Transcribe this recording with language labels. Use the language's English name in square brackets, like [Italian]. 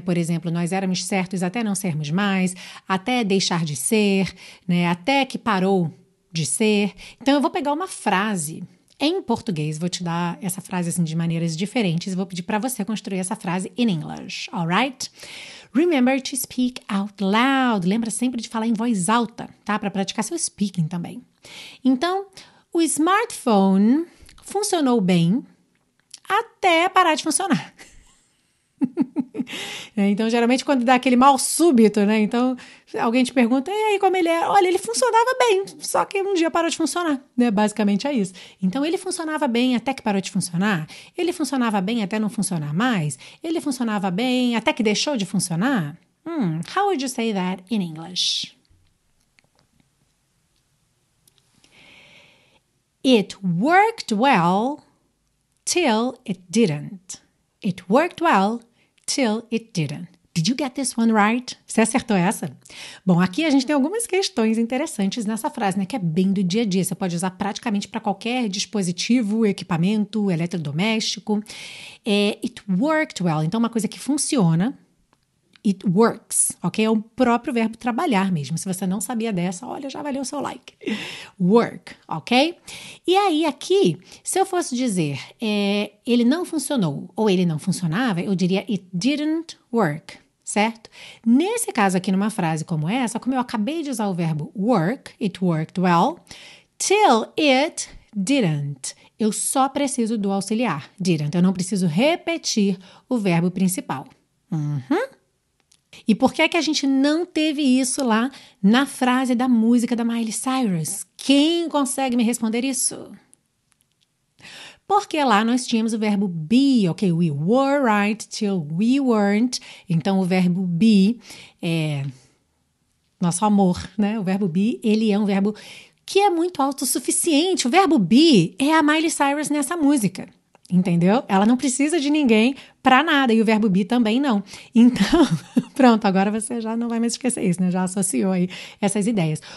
[Portuguese] Por exemplo, nós éramos certos até não sermos mais, até deixar de ser, né? Até que parou de ser. Então, eu vou pegar uma frase em português, vou te dar essa frase assim de maneiras diferentes e vou pedir para você construir essa frase [English] in English, alright? Remember to speak out loud. [Portuguese] Lembra sempre de falar em voz alta, tá? Para praticar seu speaking também. Então, o smartphone funcionou bem até parar de funcionar. Então, geralmente, quando dá aquele mal súbito, né? Então, alguém te pergunta, e aí, como ele é? Olha, ele funcionava bem, só que um dia parou de funcionar, né? Basicamente é isso. Então, ele funcionava bem até que parou de funcionar? Ele funcionava bem até não funcionar mais? Ele funcionava bem até que deixou de funcionar? [English] How would you say that in English? It worked well till it didn't. It worked well till it didn't. Did you get this one right? [Portuguese] Você acertou essa? Bom, aqui a gente tem algumas questões interessantes nessa frase, né? Que é bem do dia a dia. Você pode usar praticamente para qualquer dispositivo, equipamento, eletrodoméstico. É, [English] it worked well. [Portuguese] Então, uma coisa que funciona, [English] it works, [Portuguese] ok? É o próprio verbo trabalhar mesmo. Se você não sabia dessa, olha, já valeu o seu like. Work, ok? E aí, aqui, se eu fosse dizer ele não funcionou ou ele não funcionava, eu diria [English] it didn't work, [Portuguese] certo? Nesse caso aqui, numa frase como essa, como eu acabei de usar o verbo work, [English] it worked well, till it didn't. [Portuguese] Eu só preciso do auxiliar, didn't. Eu não preciso repetir o verbo principal. E por que é que a gente não teve isso lá na frase da música da Miley Cyrus? Quem consegue me responder isso? Porque lá nós tínhamos o verbo be, ok? [English] We were right till we weren't. [Portuguese] Então, o verbo be é nosso amor, né? O verbo be, ele é um verbo que é muito autossuficiente. O verbo be é a Miley Cyrus nessa música. Entendeu? Ela não precisa de ninguém pra nada, e o verbo be também não. Então, pronto, agora você já não vai mais esquecer isso, né? Já associou aí essas ideias.